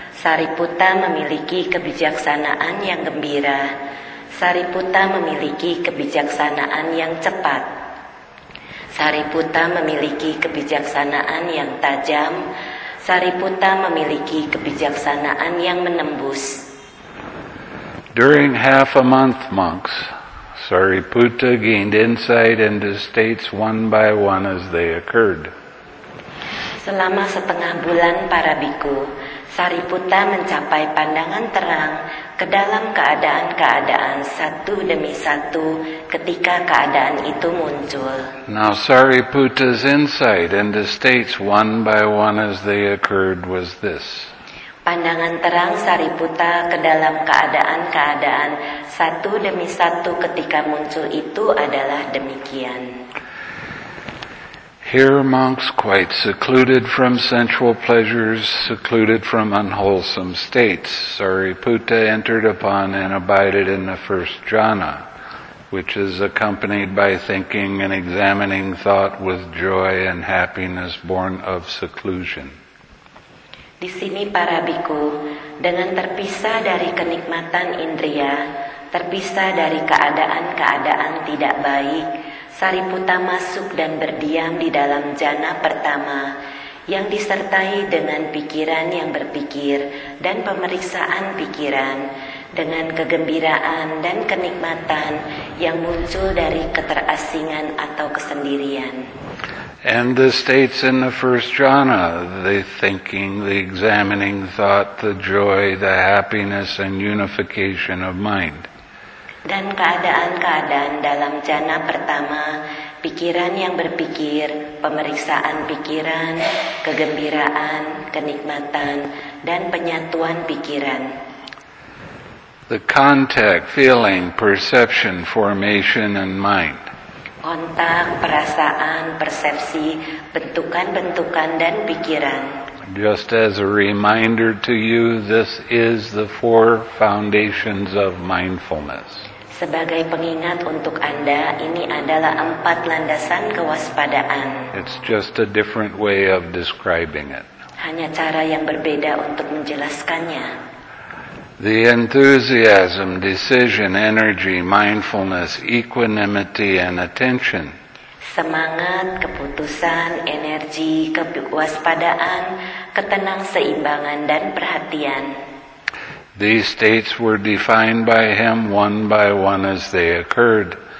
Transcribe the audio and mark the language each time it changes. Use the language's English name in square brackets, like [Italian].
[Indonesian] Sariputta memiliki kebijaksanaan yang gembira. Sariputta memiliki kebijaksanaan yang cepat. Sariputta memiliki kebijaksanaan yang tajam. Sariputta memiliki kebijaksanaan yang menembus. [English] During half a month, monks, Sariputta gained insight into states one by one as they occurred. [Indonesian] Selama setengah bulan, para bhikkhu, Sariputta mencapai pandangan terang ke dalam keadaan-keadaan satu demi satu ketika keadaan itu muncul. [English] Now Sariputta's insight into states one by one as they occurred was this. [Indonesian] Pandangan terang Sariputta ke dalam keadaan-keadaan satu demi satu ketika muncul itu adalah demikian. [English] Here monks quite secluded from sensual pleasures, secluded from unwholesome states, Sariputta entered upon and abided in the first jhana, which is accompanied by thinking and examining thought with joy and happiness born of seclusion. [Indonesian] Di sini para bhikkhu, dengan terpisah dari kenikmatan indria, terpisah dari keadaan-keadaan tidak baik, Sariputta masuk dan berdiam di dalam jhana pertama, yang disertai dengan pikiran yang berpikir dan pemeriksaan pikiran, dengan kegembiraan dan kenikmatan yang muncul dari keterasingan atau kesendirian. [English] And the states in the first jhana, the thinking, the examining thought, the joy, the happiness, and unification of mind. [Indonesian] Dan keadaan-keadaan dalam jhana pertama, pikiran yang berpikir, pemeriksaan pikiran, kegembiraan, kenikmatan, dan penyatuan pikiran. [English] The contact, feeling, perception, formation, and mind. [Indonesian] Kontak, perasaan, persepsi, bentukan-bentukan, dan pikiran. [English] Just as a reminder to you, this is the four foundations of mindfulness. [Indonesian] Sebagai pengingat untuk Anda, ini adalah empat landasan kewaspadaan. [English] It's just a different way of describing it. [Indonesian] Hanya cara yang berbeda untuk menjelaskannya. [English] The enthusiasm, decision, energy, mindfulness, equanimity, and attention. [Indonesian] Semangat, keputusan, energi, kewaspadaan, ketenangseimbangan, dan perhatian. [English] These states were defined by him one by one as they occurred.